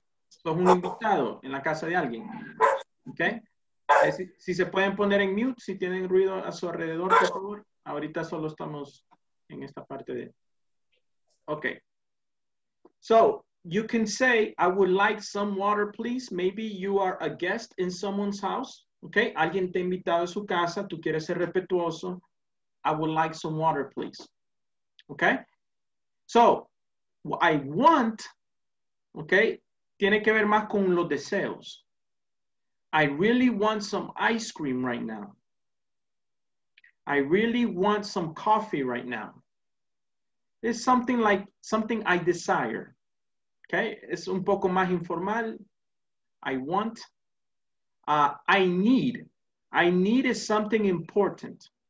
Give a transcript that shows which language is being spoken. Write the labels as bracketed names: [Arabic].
[Spanish] Sos un invitado en la casa de alguien. Okay? Si se pueden poner en mute, si tienen ruido a su alrededor, por favor. Ahorita solo estamos en esta parte de... Okay. [English] So, you can say, I would like some water, please. Maybe you are a guest in someone's house. Okay? [Spanish] Alguien te ha invitado a su casa, tú quieres ser respetuoso. [English] I would like some water, please. [Spanish] Okay? So, I want, okay, tiene que ver más con los deseos. [English] I really want some ice cream right now. I really want some coffee right now. It's something like, something I desire. Okay, it's [Spanish] un poco más informal. [English] I want, I need is something important.